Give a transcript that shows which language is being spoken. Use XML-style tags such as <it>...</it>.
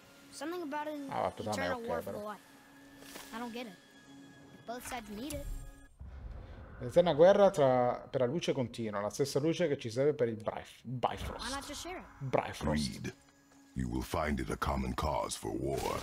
<en>Something about an eternal war for the light. I don't get it. Both sides need it.</en> <it>L'eterna guerra tra per la luce continua, la stessa luce che ci serve per il Bifrost.</it> <en>Why not just share it? Bifrost. Read. You will find it a common cause for war.</en>